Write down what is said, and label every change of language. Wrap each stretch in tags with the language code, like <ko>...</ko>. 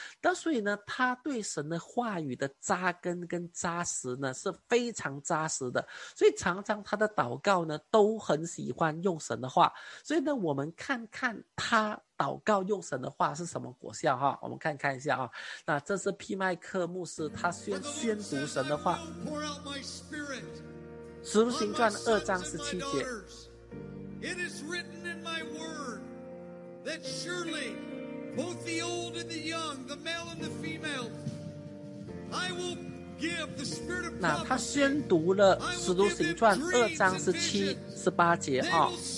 <zh>那所以呢，他对神的话语的扎根跟扎实呢是非常扎实的，所以常常他的祷告呢都很喜欢用神的话。所以呢，我们看看他祷告用神的话是什么果效哈，我们看一下啊。那这是P. Mike牧师，他宣读神的话，《使徒行传》二章十七节。</zh> <en>It is written in my word that surely both the old and the young, the male and the female, I will give the spirit of God.</en> <zh>那他宣读了《使徒行传》二章十七、十八节啊。</zh>